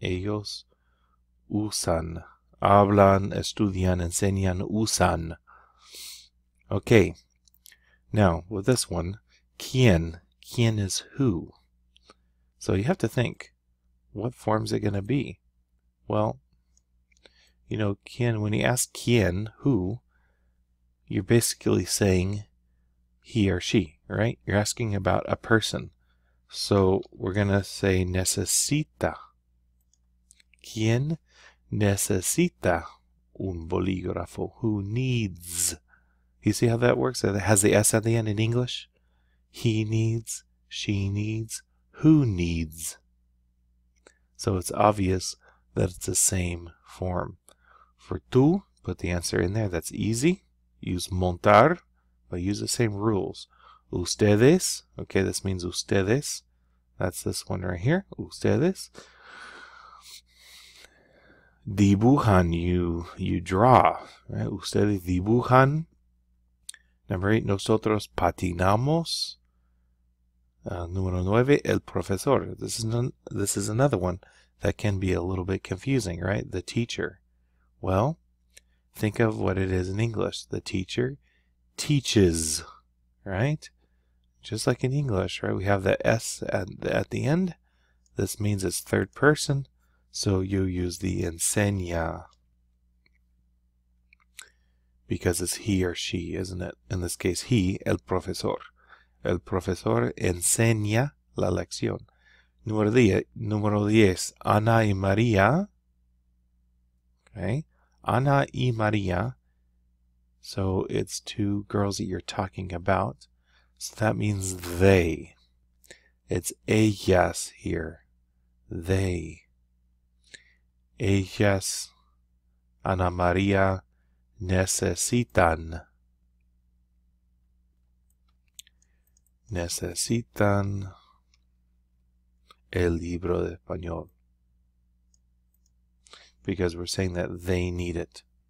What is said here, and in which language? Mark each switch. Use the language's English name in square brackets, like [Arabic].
[Spanish] Ellos usan, hablan, estudian, enseñan, usan. [English] Okay, now with this one, quién is who? So you have to think, what form is it going to be? Well, you know, quién, when you ask quién, who, you're basically saying he or she, right? You're asking about a person. So we're going to say necesita. [Spanish] ¿Quién necesita un bolígrafo? [English] Who needs? You see how that works? It has the S at the end in English. He needs, she needs, who needs? So it's obvious that it's the same form. For tú, put the answer in there. That's easy. Use montar, but use the same rules. Ustedes, okay, this means ustedes. That's this one right here, ustedes. Dibujan, you draw, right? [Spanish] Ustedes dibujan. [English] Number 8, [Spanish] nosotros patinamos. Número 9, el profesor. [English] This is another one that can be a little bit confusing, right? The teacher. Well, think of what it is in English. The teacher teaches, right? Just like in English, right? We have the S at the end. This means it's third person. So you use the enseña, because it's he or she, isn't it? In this case, he, el profesor. [Spanish] El profesor enseña la lección. Número 10, Ana y María. [English] Okay, Ana y María. So it's two girls that you're talking about. So that means they. It's ellas here. They. [Spanish] Ellas, Ana María, necesitan. Necesitan el libro de español. [English] Because we're saying that they need it.